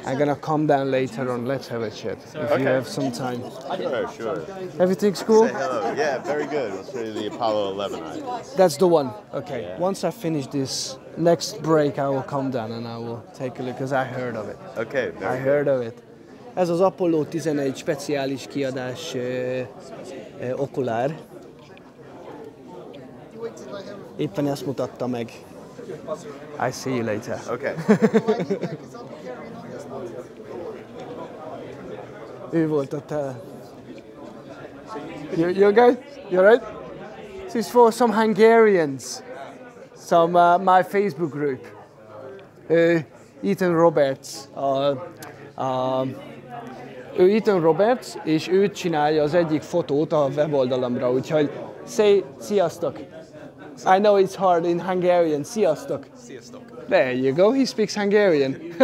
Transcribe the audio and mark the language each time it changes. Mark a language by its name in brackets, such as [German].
[English] I'm gonna come down later on, let's have a chat, if okay. You have some time. Sure. Everything's cool? Say hello. Yeah, very good. It's really the Apollo 11. That's the one. Okay, yeah. Once I finish this next break, I will come down and I will take a look, because I heard of it. Okay, very I heard good. Of it. [Hungarian] Ez az Apollo 11 speciális kiadás okulár. Éppen ezt mutatta meg. [English] I see you later. Okay. [Hungarian] Ő volt ott. [English] You okay? You alright? This is for some Hungarians. Some my Facebook group. Ethan Roberts. [Hungarian] Ő Ethan Roberts, és ő csinálja az egyik fotót a weboldalamra, úgyhogy say, sziasztok! [English] I know it's hard in Hungarian. [Hungarian] Sziasztok! Sziasztok! [English] There you go, he speaks Hungarian.